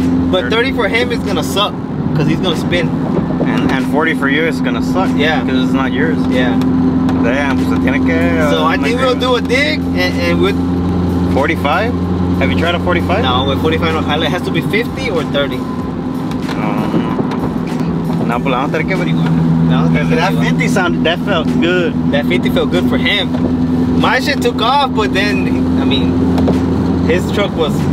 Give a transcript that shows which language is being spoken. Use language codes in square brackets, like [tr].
[en] But 30 for him is gonna suck because he's gonna spin. And 40 for you is gonna suck, yeah, because it's not yours. Yeah. [es] Damn, pues tiene que. [en] So I think we'll do a dig and with 45? Have you tried a 45? No, with 45 [es] no jala. [en] It has to be 50 or 30. [es] No, pues la vamos a tener que averiguar. [en] That 50 sounded, that felt good. That 50 felt good for him. My shit took off, but then, I mean, his truck was.